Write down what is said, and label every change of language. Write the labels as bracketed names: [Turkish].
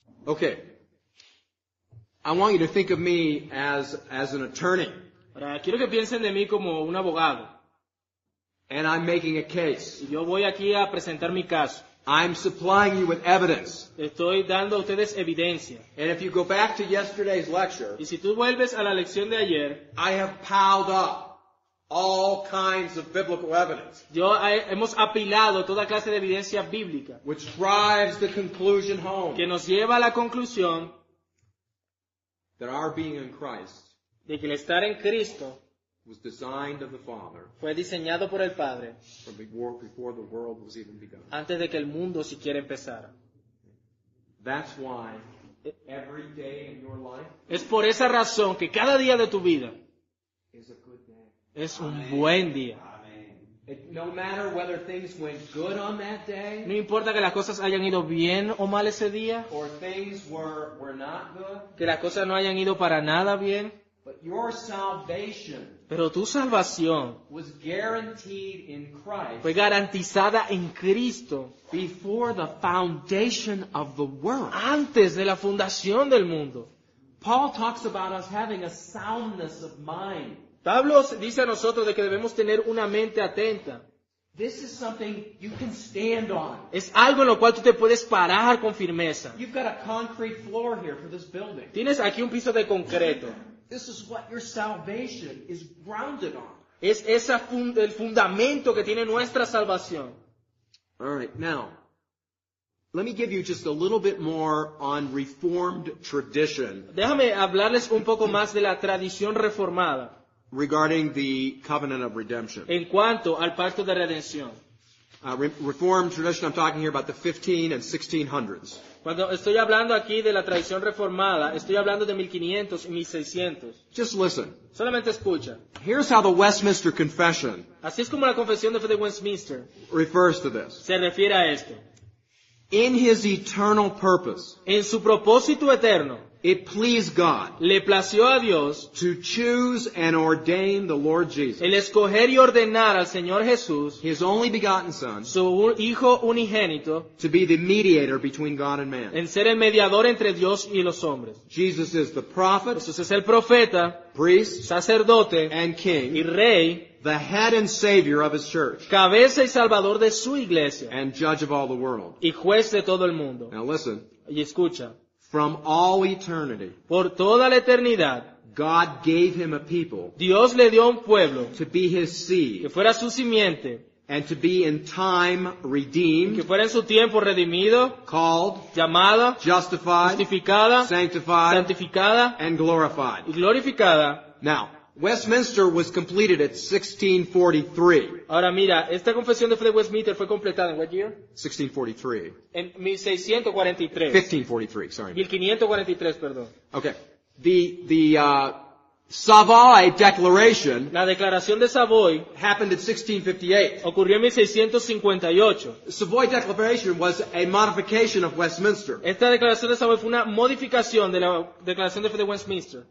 [English] Okay, I want you to think of me as an attorney. [Spanish] Ahora, quiero que piensen de mí como un abogado. [English] And I'm making a case. [Spanish] Y yo voy aquí a presentar mi caso. [English] I'm supplying you with evidence. [Spanish] Estoy dando a ustedes evidencia. [English] And if you go back to yesterday's lecture, [Spanish] y si tú vuelves a la lección de ayer, [English] I have piled up all kinds of biblical evidence. [Spanish] Yo hemos apilado toda clase de evidencia bíblica. [English] Which drives the conclusion home. [Spanish] Que nos lleva a la conclusión. [English] That our being in Christ. [Spanish] de que el estar en Cristo [English] was designed of the Father [Spanish] fue diseñado por el Padre [English] from before the world was even begun. [Spanish] Antes de que el mundo siquiera empezara. [English] That's why every day in your life [Spanish] es por esa razón que cada día de tu vida [English] is a good day. [Spanish] Es un Amen. Buen día. [English] No matter whether things went good on that day, [Spanish] no importa que las cosas hayan ido bien o mal ese día, [English] or things were not good, [Spanish] que las cosas no hayan ido para nada bien, [English] but your salvation, [Spanish] pero tu salvación [English] was guaranteed in Christ, [Spanish] fue garantizada en Cristo, [English] before the foundation of the world, [Spanish] antes de la fundación del mundo. [English] Paul talks about us having a soundness of mind. [Spanish] Pablo dice a nosotros de que debemos tener una mente atenta. [English] This is something you can stand on. [Spanish] Es algo en lo cual tú te puedes parar con firmeza. [English] You've got a concrete floor here for this building. [Spanish] Tienes aquí un piso de concreto. [English] This is what your salvation is grounded on. [Spanish] Es esa el fundamento que tiene nuestra salvación. [English] All right, now, let me give you just a little bit more on Reformed tradition. [Spanish] Déjame hablarles un poco más de la tradición reformada. [English] Regarding the covenant of redemption. [Spanish] En cuanto al pacto de redención. [English] Reformed tradition, I'm talking here about the 15 and 1600s. [Spanish] Cuando estoy hablando aquí de la tradición reformada, estoy hablando de 1500 y 1600. [English] Just listen. [Spanish] Solamente escucha. [English] Here's how the Westminster Confession. [Spanish] Así es como la confesión de fe de Westminster. [English] Refers to this. [Spanish] Se refiere a esto. [English] In his eternal purpose. [Spanish] En su propósito eterno. [English] It pleased God [Spanish] le plació a Dios [English] to choose and ordain the Lord Jesus, [Spanish] el escoger y ordenar al Señor Jesús, [English] his only begotten Son, [Spanish] su hijo unigénito, [English] to be the mediator between God and man, [Spanish] en ser el mediador entre Dios y los hombres. [English] Jesus is the prophet, [Spanish] Jesús es el profeta, [English] priest, [Spanish] sacerdote, [English] and king, [Spanish] y rey, [English] the head and savior of his church, [Spanish] cabeza y salvador de su iglesia, [English] and judge of all the world, [Spanish] y juez de todo el mundo. [English] Now listen. [Spanish] Y escucha. [English] From all eternity, [Spanish] por toda la eternidad, [English] God gave him a people, [Spanish] Dios le dio un pueblo, [English] to be his seed, [Spanish] que fuera su simiente, [English] and to be in time redeemed, [Spanish] que fuera en su tiempo redimido, [English] called, [Spanish] llamada, [English] justified, [Spanish] justificada, [English] sanctified, [Spanish] santificada, [English] and glorified, [Spanish] y glorificada. [English] Now, Westminster was completed at 1643. [Spanish] Ahora mira, esta confesión de fe de Westminster fue completada en [English] what year? 1643. [Spanish] En 1643. [English] 1543, sorry. [Spanish] 1543, perdón. [English] Okay. The Savoy Declaration. [Spanish] La declaración de Savoy [English] happened in 1658. [Spanish] Ocurrió en 1658. [English] The Savoy Declaration was a modification of Westminster. [Spanish] Esta declaración de Savoy fue una modificación de la declaración de fe de Westminster.